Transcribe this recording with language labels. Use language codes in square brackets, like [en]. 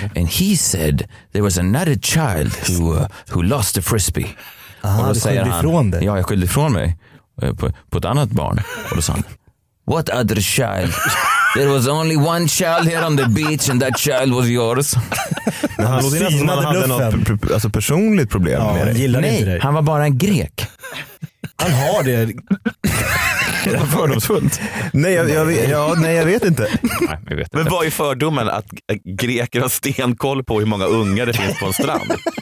[en] And he said there was another child who lost the frisbee. [sv] Aha, och då säger han, ifrån dig. Ja, jag skyllde ifrån mig på ett annat barn. Och då sa han, [en] what other child? There was only one child here on the beach and that child was yours. [sv] Men han låter nästan som han hade något alltså personligt problem, ja, med dig. Gillar nej, inte dig. Han var bara en grek. Han har det. Det är fördomsfullt. Nej, jag vet inte. Nej, jag vet inte. Men vad är fördomen att greker har stenkoll på hur många ungar det finns på en strand?